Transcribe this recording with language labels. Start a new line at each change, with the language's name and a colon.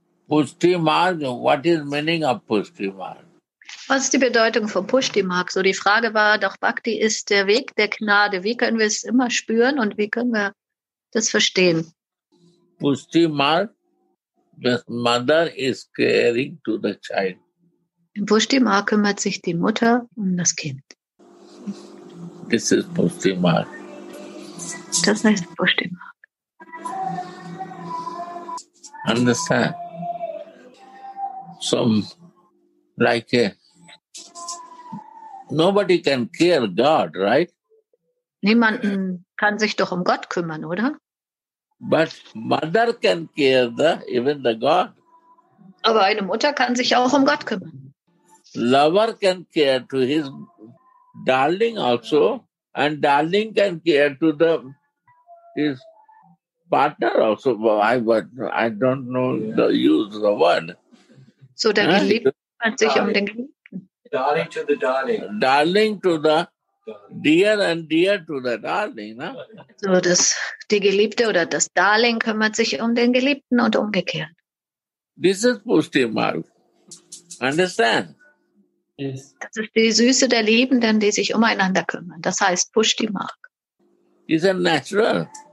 English: Pushti Mark, what is meaning of Pushti Mark?
German: Was ist die Bedeutung von Pushti Mark? So die Frage war, doch Bhakti ist der Weg der Gnade. Wie können wir es immer spüren und wie können wir das verstehen?
English: Pushti Mark, the mother is caring to the child.
German: Im Pushti-Mark kümmert sich die Mutter um das Kind.
English: This is Pushti-Mark.
German: Das heißt Bushdimark.
English: Understand? Some like a, nobody can care God, right?
German: Niemanden kann sich doch um Gott kümmern, oder?
English: But mother can care the, even the God.
German: Aber eine Mutter kann sich auch um Gott kümmern.
English: Lover can care to his darling also, and darling can care to the his partner also. I don't know the use of the word.
German: So der Geliebte kümmert sich um den Geliebten.
English: Darling to the darling. Darling to the dear and dear to the darling. Na?
German: So das die Geliebte oder das Darling kümmert sich um den Geliebten und umgekehrt.
English: This is Pushtimark. Understand? Yes.
German: Das ist die Süße der Liebenden, die sich umeinander kümmern. Das heißt Pushtimark.
English: Is it natural?